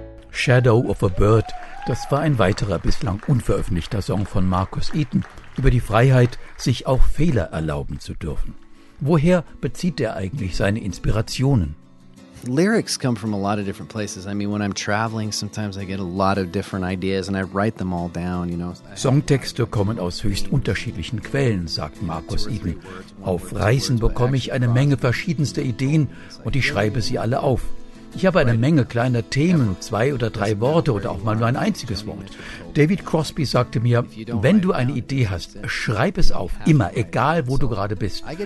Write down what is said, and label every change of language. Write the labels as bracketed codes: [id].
[de] Shadow of a Bird, das war ein weiterer bislang unveröffentlichter Song von Marcus Eaton über die Freiheit, sich auch Fehler erlauben zu dürfen. Woher bezieht er eigentlich seine Inspirationen? [en] Lyrics come from a lot of different places. I mean, when I'm traveling, sometimes I get a lot of different ideas and I write them all down, you know. [de] Songtexte kommen aus höchst unterschiedlichen Quellen, sagt Marcus Eaton. Auf Reisen bekomme ich eine Menge verschiedenster Ideen und ich schreibe sie alle auf. Ich habe eine Menge kleiner Themen, zwei oder drei Worte oder auch mal nur ein einziges Wort. David Crosby sagte mir, wenn du eine Idee hast, schreib es auf, immer, egal wo du gerade bist.